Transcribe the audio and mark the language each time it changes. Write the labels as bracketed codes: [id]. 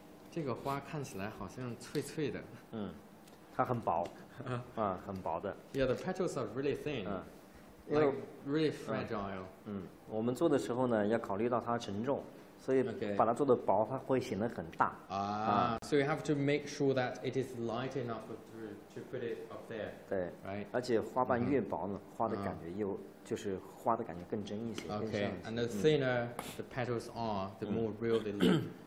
[zh] 这个花看起来好像脆脆的。它很薄。很薄的。 [en] Yeah, the petals are really thin.、Like really fragile.、 [zh] 我们做的时候呢，要考虑到它沉重。所以把它做得薄，它会显得很大。 [en] So you have to make sure that it is light enough to put it up there. [zh] 对。 [en] Right. [zh] 而且花瓣越薄呢，花的感觉又就是花的感觉更真一些。 [en] Okay. And the thinner the petals are, the more real they look.